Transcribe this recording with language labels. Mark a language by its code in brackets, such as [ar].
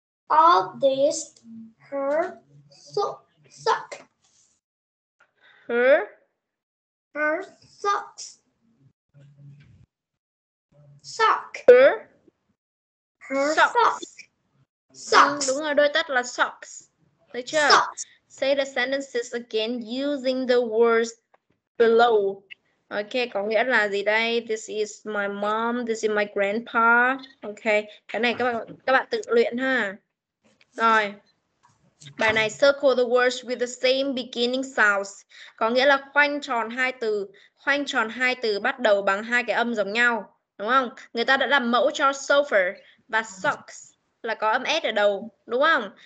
[en] All this her suck. Her socks. Sock. Her socks. Socks. [vi] Đúng rồi, đôi tất là socks. Được chưa? Socks. [en] Say the sentences again using the words below. [vi] Okay, có nghĩa là gì đây? [en] This is my mom, this is my grandpa. [vi] Okay, cái này các bạn tự luyện ha. Rồi, Bài này [en] circle the words with the same beginning sounds. [vi] Có nghĩa là khoanh tròn hai từ. Khoanh tròn hai từ bắt đầu bằng hai cái âm giống nhau. Đúng không? Người ta đã làm mẫu cho sofa và socks là có âm S ở đầu. Đúng không?